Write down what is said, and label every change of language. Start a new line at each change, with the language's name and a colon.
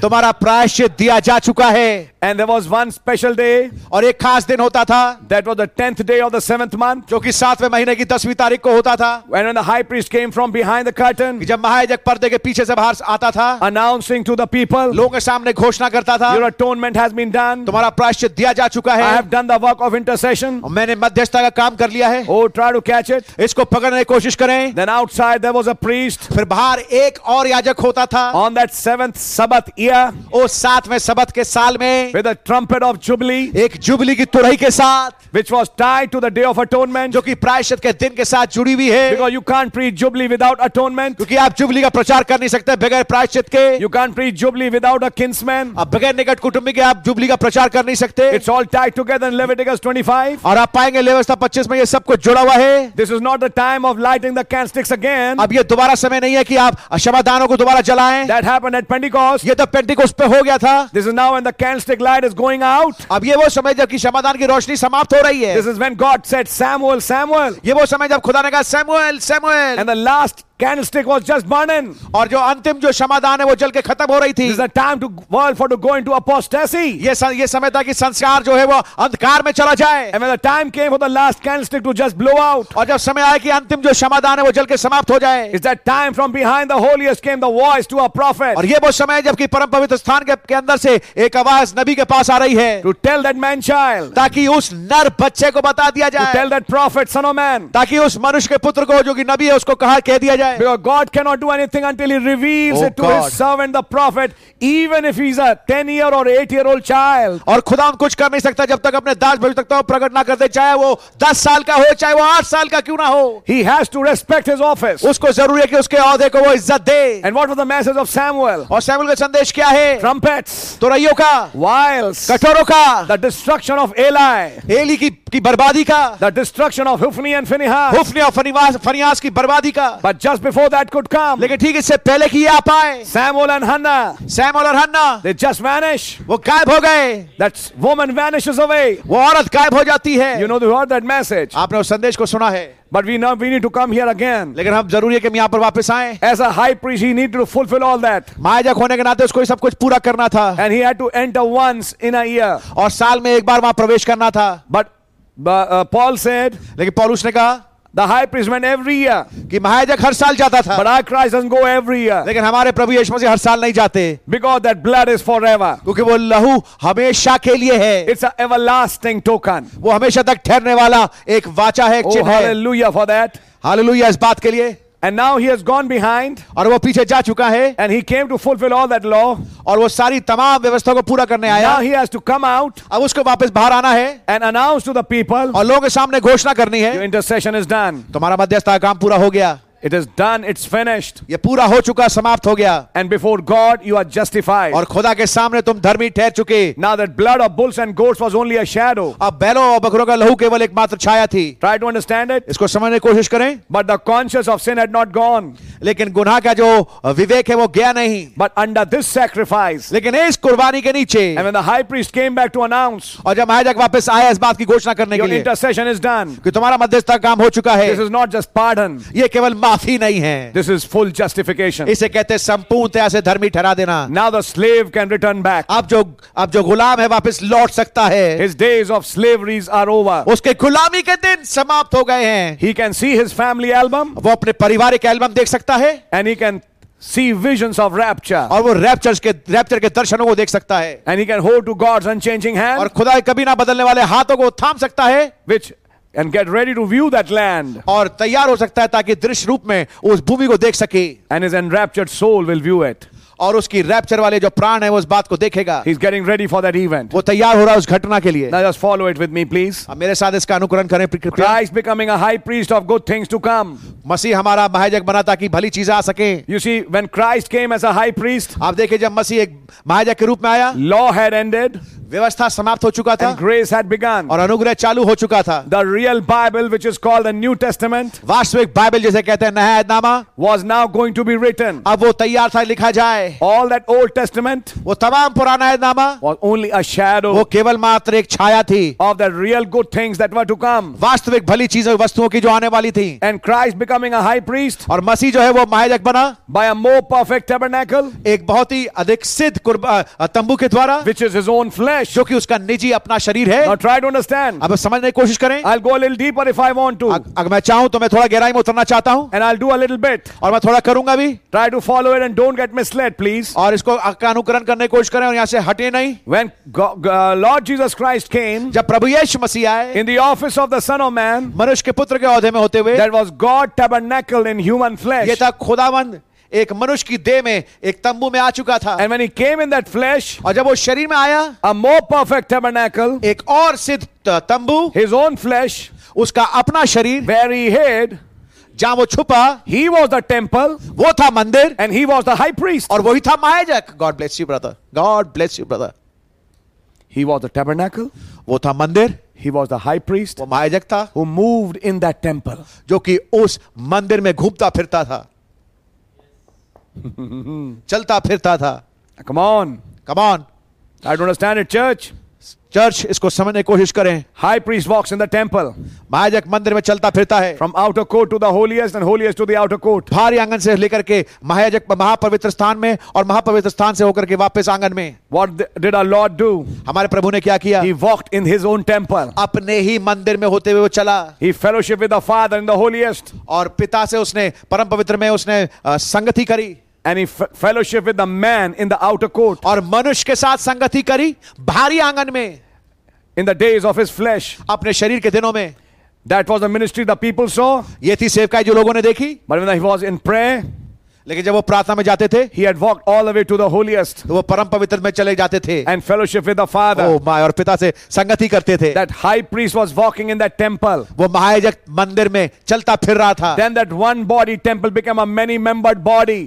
Hindi: तुम्हारा प्रायश्चित दिया जा चुका है.
English: And there was one special day.
Hindi: और एक खास दिन होता था.
English: That was the 10th day of the 7th month.
Hindi: जो कि सातवें महीने की 10वीं तारीख को होता था.
English: When the high priest came from behind the curtain.
Hindi: जब महायाजक पर्दे के पीछे से बाहर आता था.
English: Announcing to the people.
Hindi: लोगों के सामने घोषणा करता था.
English: Your atonement has been done.
Hindi: तुम्हारा प्रायश्चित दिया जा चुका है.
English: I have done the work of intercession.
Hindi: मैंने मध्यस्थता का काम कर लिया है.
English: Oh, try to catch it.
Hindi: इसको पकड़ने की कोशिश करें.
English: Then outside there was a priest.
Hindi: फिर बाहर एक और याजक होता था.
English: On that 7th Sabbath year.
Hindi: ओ सातवें सबत के साल में.
English: With a trumpet of jubilee.
Hindi: एक जुबली की तुरही के साथ.
English: Which was tied to the day of atonement.
Hindi: जो कि प्रायश्चित के दिन के साथ जुड़ी हुई है.
English: Because you can't preach jubilee without atonement.
Hindi: क्योंकि आप जुबली का प्रचार कर नहीं सकते बगैर प्रायश्चित के.
English: You can't preach jubilee without a kinsman.
Hindi: आप बगैर निकट कुटुंबी के आप जुबली का प्रचार कर नहीं सकते.
English: It's all tied together in Leviticus 25.
Hindi: और आप पाएंगे लेवस्ता 25 में ये सब कुछ जुड़ा हुआ है.
English: This is not the time of lighting the candlesticks again.
Hindi: अब ये दोबारा समय नहीं है कि आप शमादानों को दोबारा जलाएं.
English: That happened at Pentecost.
Hindi: ये तो पेंटिकोस्ट पे हो गया था.
English: This is now when the candlestick light is going out.
Hindi: अब ये वो समय जबकि शमादान की रोशनी समाप्त हो रही है.
English: This is when God said Samuel, Samuel.
Hindi: ये वो समय जब खुदा ने कहा Samuel, Samuel.
English: And the last candlestick was just burning.
Hindi: और जो अंतिम जो शमादान है वो जल के खत्म हो रही थी.
English: This is the time to world for to go into apostasy.
Hindi: ये समय था कि संस्कार जो है वो अंधकार में चला जाए.
English: And when the time came for the last candlestick to just blow out.
Hindi: और जब समय आया कि अंतिम जो शमादान है वो जल के समाप्त हो जाए.
English: Is that time from behind the holiest came the voice to a prophet.
Hindi: और ये वो समय है जबकि परम पवित्र स्थान के अंदर से एक आवाज नबी के पास आ रही है.
English: To tell that man child.
Hindi: ताकि उस नर बच्चे को बता दिया जाए.
English: To tell that prophet son of man.
Hindi: ताकि उस मनुष्य के पुत्र को जो कि नबी है उसको कहा कह दिया जाए.
English: Because God cannot do anything until he reveals it to his servant the prophet, even if he's a 10-year or 8-year old child.
Hindi: और खुदा कुछ कर नहीं सकता जब तक अपने दास भविष्यवक्ता को प्रकट ना कर दे, चाहे वो 10 साल का हो चाहे वो 8 साल का क्यों ना हो.
English: He has to respect his office.
Hindi: उसको जरूरी है कि उसके ओहदे को वो इज्जत दे.
English: And what was the message of Samuel?
Hindi: और सैमुएल का संदेश क्या है?
English: Trumpets.
Hindi: तुरहियों का.
English: Vials.
Hindi: कटोरों का.
English: The destruction of Eli.
Hindi: Eli की बर्बादी का.
English: The destruction of Hophni and Phinehas.
Hindi: Hophni और Phinehas की बर्बादी का.
English: But just before that could come.
Hindi: लेकिन ठीक इससे पहले कि ये आ पाए.
English: Samuel and Hannah.
Hindi: Samuel और Hannah.
English: They just vanish.
Hindi: वो गायब हो गए.
English: That woman vanishes away.
Hindi: वो औरत गायब हो जाती है.
English: You know you heard that message.
Hindi: आपने उस संदेश को सुना है.
English: But we now we need to come here again.
Hindi: लेकिन हम जरूरी है कि हम यहाँ पर वापस आएं.
English: As a high priest, he needed to fulfill all that.
Hindi: महायाजक होने के नाते उसको ये सब कुछ पूरा करना था.
English: And he had to enter once in a year.
Hindi: और साल में एक बार वहाँ प्रवेश करना था.
English: But Paul said.
Hindi: लेकिन पौलुस ने कहा.
English: The high priest went every year.
Hindi: कि महायाजक हर साल जाता था.
English: But our Christ doesn't go every year.
Hindi: लेकिन हमारे प्रभु यीशु मसीह हर साल नहीं जाते.
English: Because that blood is forever.
Hindi: क्योंकि वो लहू हमेशा के लिए है.
English: It's an everlasting token.
Hindi: वो हमेशा तक ठहरने वाला एक वाचा है, एक चिन्ह है.
English: Oh, hallelujah for that.
Hindi: Hallelujah इस बात के लिए.
English: And now he has gone behind.
Hindi: और वो पीछे जा चुका है.
English: And he came to fulfill all that law.
Hindi: और वो सारी तमाम व्यवस्था को पूरा करने आया.
English: Now he has to come out.
Hindi: अब उसको वापस बाहर आना है.
English: And announce to the people.
Hindi: और लोगों के सामने घोषणा करनी है.
English: Your intercession is done.
Hindi: तुम्हारा मध्यस्थता काम पूरा हो गया.
English: It is done. It's finished.
Hindi: ये पूरा हो चुका, समाप्त हो गया.
English: And before God, you are justified.
Hindi: और खुदा के सामने तुम धर्मी ठहर चुके.
English: Now that blood of bulls and goats was only a shadow.
Hindi: अब बैलों और बकरों का लहू केवल एक मात्र छाया थी.
English: Try to understand it.
Hindi: इसको समझने की कोशिश करें.
English: But the conscience of sin had not gone.
Hindi: लेकिन गुनाह का जो विवेक है वो गया नहीं.
English: But under this sacrifice.
Hindi: लेकिन इस कुर्बानी के नीचे.
English: And when the high priest came back to announce.
Hindi: और जब महायाजक वापस आया इस बात की घोषणा करने के लिए.
English: Your intercession is done.
Hindi: कि तुम्हारा मध्यस्थता काम हो चुका है.
English: This is not just pardon.
Hindi: ये केवल माफी नहीं है.
English: This is full justification.
Hindi: इसे कहते हैं संपूर्णतया से धर्मी ठहरा देना.
English: Now the slave can return back.
Hindi: अब जो गुलाम है वापस लौट सकता है.
English: His days of slaveries are over.
Hindi: उसके गुलामी के दिन समाप्त हो गए हैं.
English: He can see his family album.
Hindi: वो अपने पारिवारिक एल्बम देख सकता है.
English: And he can see visions of rapture.
Hindi: और वो रैप्चर के दर्शनों को देख सकता है.
English: And he can hold to God's unchanging hand.
Hindi: और खुदा के कभी ना बदलने वाले हाथों को थाम सकता है.
English: Which And get ready to view that land.
Hindi: और तैयार हो सकता है ताकि दृश्य रूप में उस भूमि को देख सके.
English: And his enraptured soul will view it.
Hindi: और उसकी रैप्चर वाले जो प्राण है वो उस बात को देखेगा.
English: He's getting ready for that event.
Hindi: वो तैयार हो रहा है उस घटना के लिए.
English: Now just follow it with me, please.
Hindi: अब मेरे साथ इसका अनुकरण करें.
English: Christ becoming a high priest of good things to come.
Hindi: मसीह हमारा महायाजक बना ताकि भली चीजें आ सके.
English: You see, when Christ came as a high priest.
Hindi: आप देखें जब मसीह एक महायाजक के रूप में आया.
English: Law had ended.
Hindi: व्यवस्था समाप्त हो चुका था.
English: And grace had begun.
Hindi: और अनुग्रह चालू हो चुका था.
English: The real Bible, which is called the New Testament,
Hindi: वास्तविक बाइबल जिसे कहते हैं नया आयतनामा,
English: was now going to be written.
Hindi: अब वो तैयार था लिखा जाए.
English: All that Old Testament,
Hindi: वो तमाम पुराना आयतनामा,
English: was only a shadow.
Hindi: वो केवल मात्र एक छाया थी.
English: Of the real good things that were to come.
Hindi: वास्तविक भली चीजों वस्तुओं की जो आने वाली थी.
English: And Christ becoming a high priest,
Hindi: और मसीह जो है वो महायाजक बना.
English: By a more perfect tabernacle,
Hindi: एक बहुत ही अधिक सिद्ध तंबू के द्वारा,
English: which is his own flesh.
Hindi: जो कि उसका निजी अपना शरीर है.
English: Now try to understand.
Hindi: अब समझने की कोशिश करें.
English: I'll go a little deeper if I want to.
Hindi: अगर मैं चाहूं तो मैं थोड़ा गहराई में उतरना चाहता हूं.
English: And I'll do a little bit.
Hindi: और मैं थोड़ा करूंगा भी.
English: Try to follow it and don't get misled, please.
Hindi: और इसको अनुकरण करने की कोशिश करें और यहां से हटे नहीं.
English: When Lord Jesus Christ came,
Hindi: जब प्रभु यीशु मसीह आए,
English: in the office of the Son of Man,
Hindi: मनुष्य के पुत्र के औहदे में होते हुए,
English: that was God tabernacle in human flesh.
Hindi: ये था खुदावंद एक मनुष्य की देह में, एक तंबू में आ चुका था.
English: And when he came in that flesh,
Hindi: और जब वो शरीर में आया,
English: a more perfect tabernacle,
Hindi: एक और सिद्ध तंबू,
English: his own flesh,
Hindi: उसका अपना शरीर,
English: where he hid,
Hindi: जहां वो छुपा,
English: he was the temple,
Hindi: वो था मंदिर,
English: and he was the high priest,
Hindi: और वही था महायाजक.
English: God bless you, brother.
Hindi: God bless you, brother.
English: He was the tabernacle,
Hindi: वो था मंदिर.
English: He was the high priest,
Hindi: वो महायाजक था.
English: Who moved in that temple,
Hindi: जो कि उस मंदिर में घूमता फिरता था. चलता फिरता था.
English: Come on. I don't understand it. Church
Hindi: इसको समझने की कोशिश करें.
English: High priest walks in the temple.
Hindi: महायाजक मंदिर में चलता फिरता है.
English: From outer court to the holiest and holiest to the outer court.
Hindi: भारी आंगन से लेकर के महायाजक महापवित्र स्थान में और महापवित्र स्थान से होकर के वापस आंगन में.
English: What did our lord do.
Hindi: हमारे प्रभु ने क्या किया.
English: He walked in his own temple.
Hindi: अपने ही मंदिर में होते हुए वो चला.
English: He fellowship with the father in the holiest.
Hindi: और पिता से उसने परम पवित्र में उसने संगति करी.
English: And he fellowship with the man in the outer court.
Hindi: और मनुष्य के साथ संगति करी भारी आंगन में.
English: In the days of his flesh,
Hindi: अपने शरीर के दिनों में.
English: That was the ministry the people saw.
Hindi: ये थी सेवकाई जो लोगों ने देखी.
English: But when he was in prayer,
Hindi: लेकिन जब वो प्रार्थना में जाते थे,
English: he had walked all the way to the holiest.
Hindi: तो वो परम पवित्र में चले जाते थे.
English: And fellowship with the father. Oh my,
Hindi: और पिता से संगति करते थे.
English: That high priest was walking in that temple.
Hindi: वो महायाजक मंदिर में चलता फिर रहा था.
English: Then that one body temple became a many-membered body.